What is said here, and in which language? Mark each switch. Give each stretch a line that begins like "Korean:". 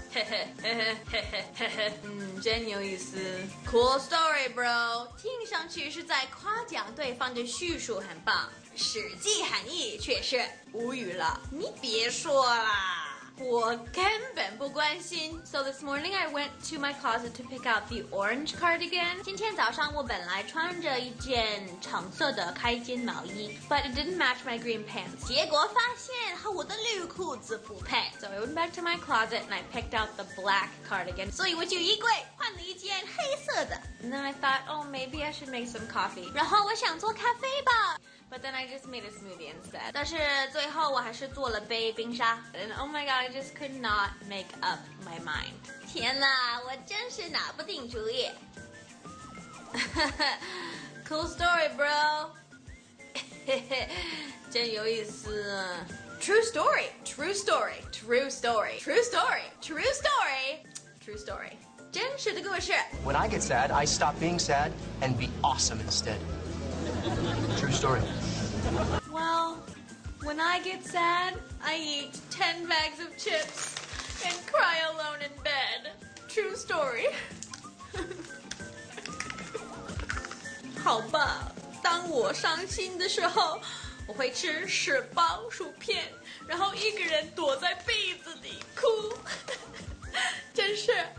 Chinese: 嘿嘿嘿嘿嘿嘿嘿。真有意思。
English: Cool story, bro.
Chinese: 听上去是在夸奖对方的叙述很棒，实际含义却是无语了。你别说啦，我根本不关心。
English: So this morning I went to my closet to pick out the orange cardigan.
Chinese: 今天早上我本来穿着一件橙色的开襟毛衣， but it didn't match my green pants. 结果发现和我的绿裤子不配。
English: So I went back to my closet and I picked out the black cardigan.
Chinese: 所以我去衣柜换了一件黑色的。
English: And then I thought, oh, maybe I should make some coffee.
Chinese: 然后我想做咖啡吧。
English: But then I just made a smoothie instead.
Chinese: 但是最后我还是做了杯冰沙。
English: And oh my god, I just could not make up my mind.
Chinese: 天哪，我真是拿不定主意。
English: Cool story, bro. 真有意思。 True story, true story, true story, true story, true story, true story. 真实的故事。 When I get sad, I stop being sad and be awesome instead. True story. Well, when I get sad, I eat 10 bags of chips and cry alone in bed. True story.
Chinese: 好吧，当我伤心的时候，我会吃18薯片，然后一个人躲在被子里哭。真是。